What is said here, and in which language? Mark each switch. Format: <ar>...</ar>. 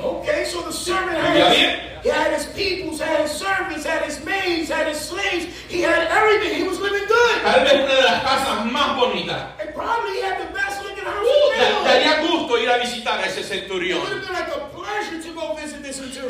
<en>Okay, so the servant had his people, had his servants, had his maids, had his slaves. He had everything. He was living good.</en> <es>Tal vez una de las casas más bonitas.</es> <en>And probably he had the best looking house in town.</en> <es>Daría gusto ir a visitar a ese centurión.</es> <en>It would have been like a pleasure to go visit this centurion.</en>